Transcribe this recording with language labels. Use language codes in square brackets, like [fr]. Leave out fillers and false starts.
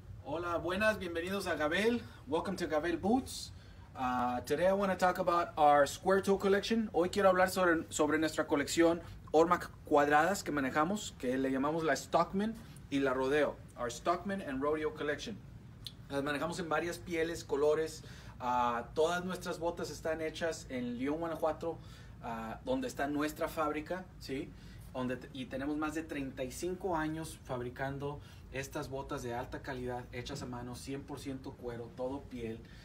[es] Hola, buenas, bienvenidos a Gabel. [en] Welcome to Gabel Boots. Today I want to talk about our square toe collection. [es] Hoy quiero hablar sobre nuestra colección Ormac cuadradas que manejamos, que le llamamos la Stockman y la Rodeo. [en] Our Stockman and Rodeo collection. [es] Las manejamos en varias pieles, colores. Todas nuestras botas están hechas en León, Guanajuato, donde está nuestra fábrica, ¿sí? Y tenemos más de 35 años fabricando estas botas de alta calidad, hechas a mano, 100% cuero, todo piel.